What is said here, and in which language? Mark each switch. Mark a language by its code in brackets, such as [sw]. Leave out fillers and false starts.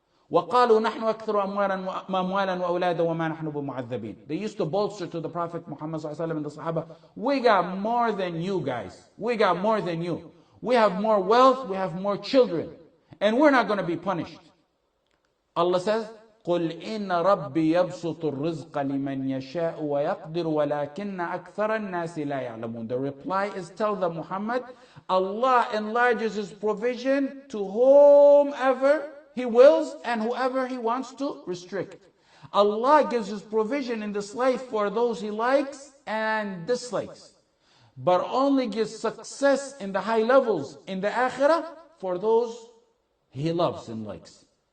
[ar] وَقَالُوا نَحْنُ أَكْثَرُ أَمْوَالًا وَأَوْلَادًا وَمَا نَحْنُ بِمُعَذَّبِينَ. [en] They used to bolster to the Prophet Muhammad ﷺ and the Sahaba, we got more than you guys. We got more than you. We have more wealth, we have more children. And we're not going to be punished. Allah says, [ar] قُلْ إِنَّ رَبِّي يَبْسُطُ الرِّزْقَ لِمَنْ يَشَاءُ وَيَقْدِرُ وَلَكِنَّ أَكْثَرَ النَّاسِ لَا يَعْلَمُونَ. [en] The reply is, tell them, Muhammad, Allah enlarges His provision to whomever He wills and whoever He wants to restrict. Allah gives His provision in this life for those He likes and dislikes, but only gives success in the high levels in the akhirah for those He loves and likes.